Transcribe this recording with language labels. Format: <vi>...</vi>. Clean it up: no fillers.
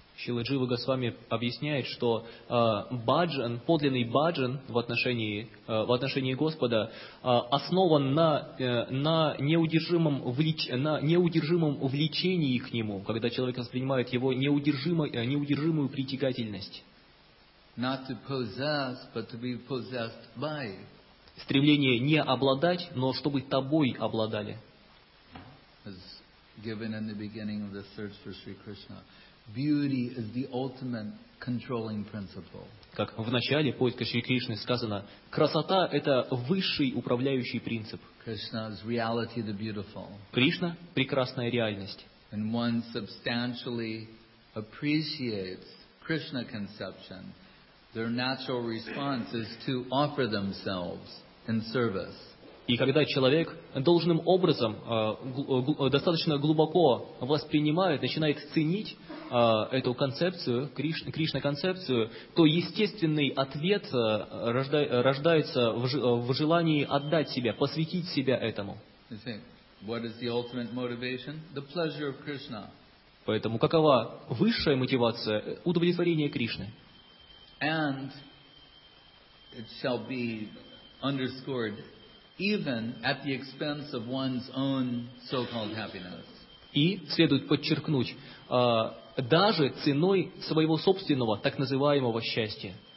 <ru>Шрила Джива Госвами объясняет, что баджан, подлинный баджан в отношении Господа основан на неудержимом влечении к Нему, когда человек воспринимает Его неудержимую притягательность. Стремление не обладать, но чтобы тобой обладали.</ru> <en>Given in the beginning of the search for Sri Krishna, beauty is the ultimate controlling principle.</en> <ru>Как в начале поиска Шри Кришны сказано, красота — это высший управляющий принцип.</ru> <en>Krishna's reality, the beautiful.</en> <ru>Кришна — прекрасная реальность.</ru> <en>And one substantially appreciates Krishna conception, their natural response is to offer themselves in service.</en> <ru>И когда человек должным образом достаточно глубоко воспринимает, начинает ценить эту концепцию, Кришна-концепцию, то естественный ответ рождается в желании отдать себя, посвятить себя этому.</ru> <en>What is the ultimate motivation? The pleasure of Krishna.</en> <ru>Поэтому какова высшая мотивация? Удовлетворение Кришны.</ru> <en>And it shall be underscored even at the expense of one's own so-called happiness.</en> <ru>И следует подчеркнуть, даже ценой своего собственного так называемого счастья.</ru>